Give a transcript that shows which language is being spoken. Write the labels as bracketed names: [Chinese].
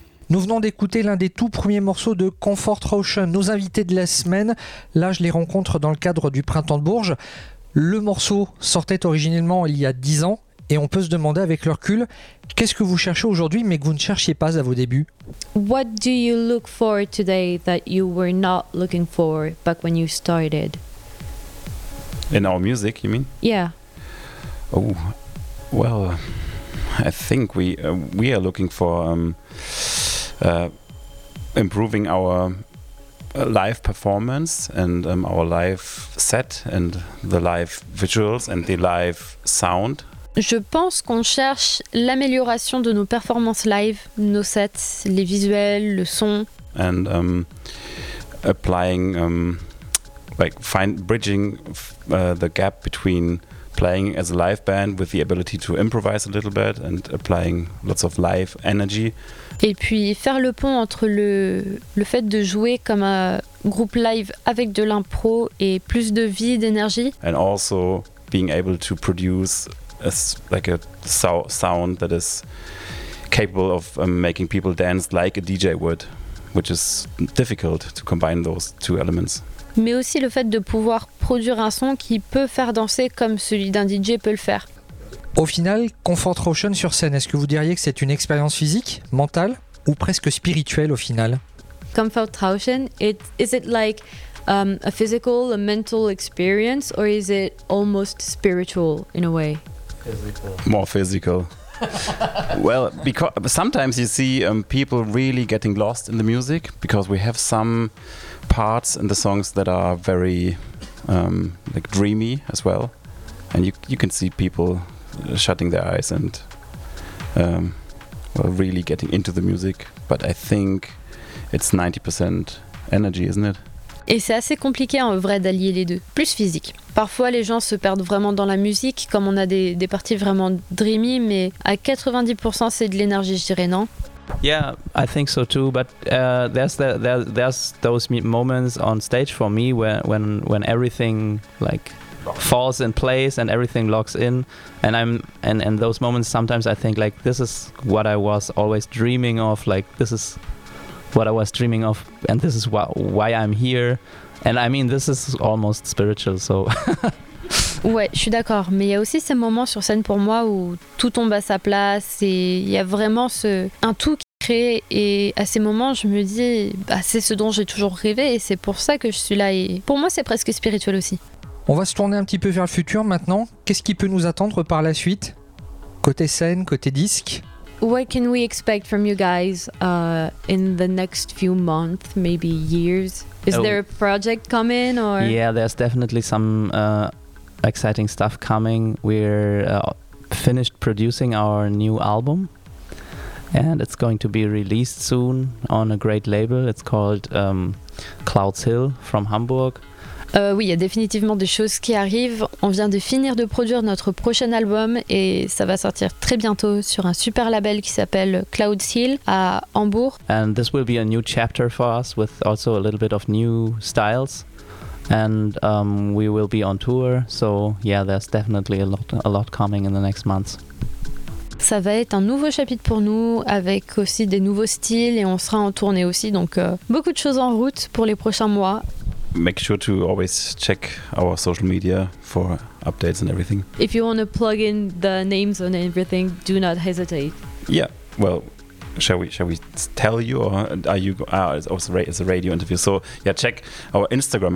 [French] Nous venons d'écouter l'un des tout premiers morceaux de Comfort Ocean, nos invités de la semaine. Là, je les rencontre dans le cadre du Printemps de Bourges. Le morceau sortait originellement il y a 10 ans et on peut se demander avec le recul, qu'est-ce que vous cherchez aujourd'hui mais que vous ne cherchiez pas à vos débuts? [English] What do you look for today that you were not looking for back when you started? In our music, you mean? Yeah. Oh, well, I think we are looking for improving our live performance and our live set and the live visuals and the live sound. Je pense qu'on cherche l'amélioration de nos performances live, nos sets, les visuels, le son. And applying, like find bridging the gap between playing as a live band with the ability to improvise a little bit and applying lots of live energy. Et puis faire le pont entre le fait de jouer comme un groupe live avec de l'impro et plus de vie d'énergie. And also being able to produce a, like a sound that is capable of making people dance like a DJ would, which is difficult to combine those two elements. Mais aussi le fait de pouvoir produire un son qui peut faire danser comme celui d'un DJ peut le faire. Au final, Comfort Ocean sur scène, est-ce que vous diriez que c'est une expérience physique, mentale ou presque spirituelle au final? Comfort Ocean, is it like a physical, a mental experience or is it almost spiritual in a way? Physical. More physical. Well, because sometimes you see people really getting lost in the music because we have some parts in the songs that are very like dreamy as well, and you can see people shutting their eyes and well, really getting into the music. But I think it's 90% energy, isn't it? [French] Et c'est assez compliqué en vrai d'allier les deux, plus physique. Parfois les gens se perdent vraiment dans la musique, comme on a des parties vraiment dreamy, mais à 90% c'est de l'énergie, je dirais, non? [English] Yeah, I think so too, but there's those moments on stage for me when everything like falls in place and everything locks in, and I'm and those moments sometimes I think like this is what I was always dreaming of, like this is what I was dreaming of and this is why I'm here, and I mean this is almost spiritual, so. [French] Ouais, je suis d'accord, mais il y a aussi ces moments sur scène pour moi où tout tombe à sa place et il y a vraiment un tout qui crée, et à ces moments je me dis bah, c'est ce dont j'ai toujours rêvé et c'est pour ça que je suis là, et pour moi c'est presque spirituel aussi. On va se tourner un petit peu vers le futur maintenant. Qu'est-ce qui peut nous attendre par la suite, côté scène, côté disque? [English] What can we expect from you guys in the next few months, maybe years? Is there a project coming or? Yeah, there's definitely some exciting stuff coming. We're finished producing our new album and it's going to be released soon on a great label. It's called Clouds Hill from Hamburg. [French] Oui, il y a définitivement des choses qui arrivent. On vient de finir de produire notre prochain album et ça va sortir très bientôt sur un super label qui s'appelle Clouds Hill à Hambourg. [English] And this will be a new chapter for us with also a little bit of new styles. And we will be on tour, so yeah, there's definitely a lot coming in the next months. [French] Ça va être un nouveau chapitre pour nous avec aussi des nouveaux styles et on sera en tournée aussi, donc beaucoup de choses en route pour les prochains mois. [English] Make sure to always check our social media for updates and everything. If you want to plug in the names and everything, do not hesitate. Yeah, well, shall we tell you, or are you? It's a radio interview. So yeah, check our Instagram.